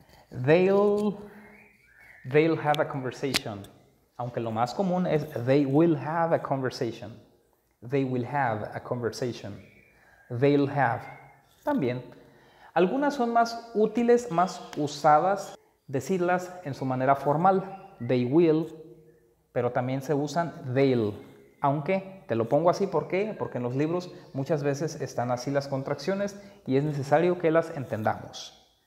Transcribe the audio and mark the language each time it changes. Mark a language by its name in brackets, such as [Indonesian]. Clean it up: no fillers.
[English] They'll have a conversation. [Spanish] Aunque lo más común es [English] they will have a conversation. They will have a conversation. They'll have. [Spanish] También. Algunas son más útiles, más usadas, decirlas en su manera formal. [English] They will. [Spanish] Pero también se usan they'll. Aunque te lo pongo así, ¿por qué? Porque en los libros muchas veces están así las contracciones y es necesario que las entendamos.